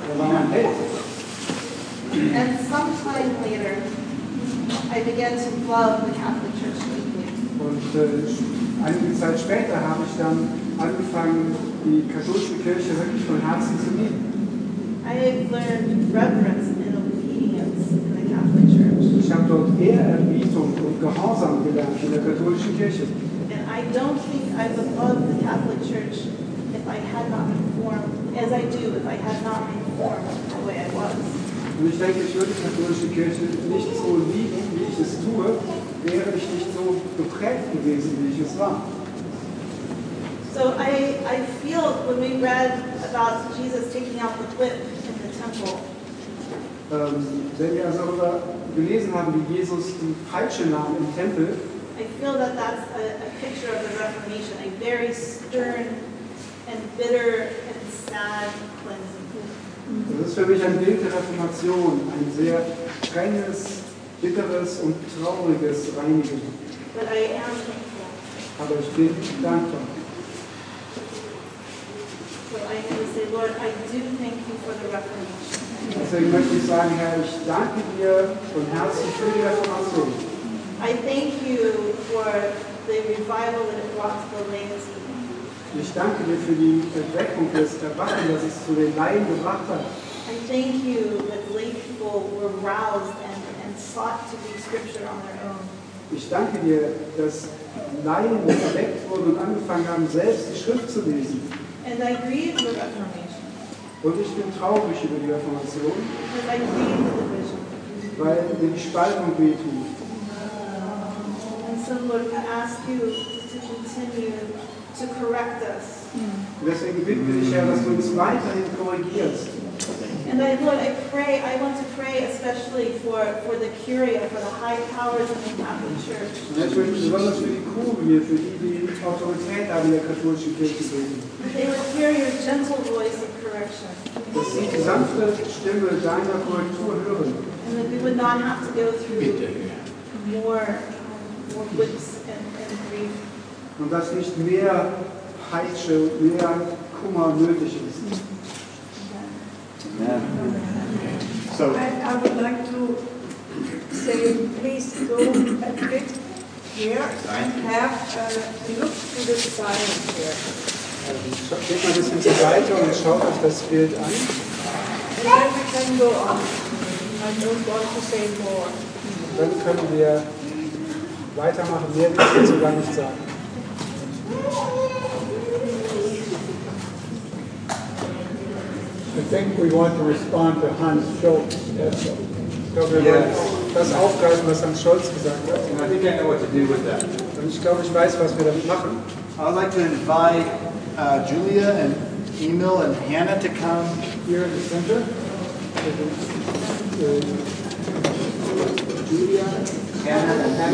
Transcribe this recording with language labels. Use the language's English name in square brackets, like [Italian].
[English] And some time later, I began to love the Catholic Church. [German] Und einige Zeit später habe ich dann angefangen, die katholische Kirche wirklich von Herzen zu lieben. Ich habe dort Ehrerbietung und Gehorsam gelernt in der katholischen Kirche. [English] And I don't think I would love the Catholic Church if I had not been formed as I do, if I had not been formed the way I was. [German] Und ich denke, ich würde die katholische Kirche nicht so lieben, wie ich es tue, wäre ich nicht so geprägt gewesen, wie ich es war. [English] So I feel when we read about Jesus taking out the whip in the temple. [German] Wenn wir also darüber gelesen haben, wie Jesus die Peitsche nahm im Tempel, [English] I feel that that's a picture of the Reformation, a very stern and bitter and sad cleansing. [German] Das ist für mich ein Bild der Reformation, ein sehr strenges, bitteres und trauriges Reinigen. [English] But I am thankful. [German] Aber ich bin dankbar. [English] So I say, Lord, I do thank you for the Reformation. [German] Deswegen möchte ich sagen, Herr, ich danke dir von Herzen für die Reformation. [English] I thank you for the revival that it brought to the lands. [German] Ich danke dir für die Erweckung des Erwachen, das es zu den Laien gebracht hat. [English] I thank you that lay people were roused and sought to read scripture on their own. [German] Ich danke dir, dass Laien erweckt wurden und angefangen haben, selbst die Schrift zu lesen. [English] And I grieve the Reformation. [German] Und ich bin traurig über die Reformation. [English] Because I grieve the division. [German] Weil mir die Spaltung wehtut. [English] And so, Lord, we ask you to continue to correct us. [German] Deswegen bitten wir dich, Herr, dass du uns weiterhin korrigierst. [English] And I, Lord, I pray, I want to pray especially for the Curia, for the high powers in the Catholic Church. [German] Und ich möchte besonders für die Kurie, für die, die Autorität haben in der katholischen Kirche beten. [English] They will hear your gentle voice of correction. [German] Dass sie die sanfte Stimme deiner Korrektur hören. [English] And that we would not have to go through more whips and grief. [German] Und dass nicht mehr Peitsche, mehr Kummer nötig ist. [English] Yeah. So. I would like to say, please go a bit here and have a look to this sign here. [German] Geht mal ein bisschen weiter und schaut euch das Bild an. [English] And then we can go on. I don't want to say more. [German] Und dann können wir weitermachen, mehr will ich sogar nicht sagen. [English] I think we want to respond to Hans Schultz. Yes. [German] Das aufgreifen, was Hans Schultz gesagt hat. [English] And I think I know what to do with that. [German] Und ich glaube, ich weiß, was wir damit machen. [English] I'd like to invite Julia and Emil and Hannah to come here in the center. Julia,